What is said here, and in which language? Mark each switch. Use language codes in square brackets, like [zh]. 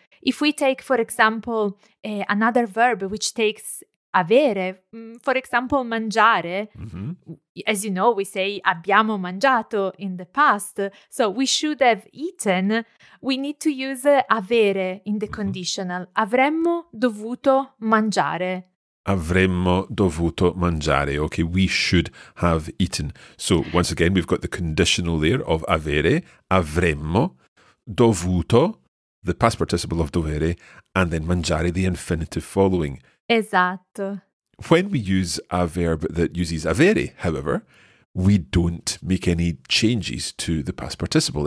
[en] If we take, for example, another verb which takes avere, for example, mangiare, mm-hmm. as you know, we say [it] abbiamo mangiato [en] in the past, so we should have eaten, we need to use avere in the mm-hmm. conditional. [it] Avremmo dovuto mangiare. Avremmo dovuto mangiare. [en] Okay, we should have eaten. So once again, we've got the conditional there of avere, [it] avremmo dovuto, [en] the past participle of dovere, and then mangiare, the infinitive following. [it] Esatto. [en] When we use a verb that uses avere, however, we don't make any changes to the past participle.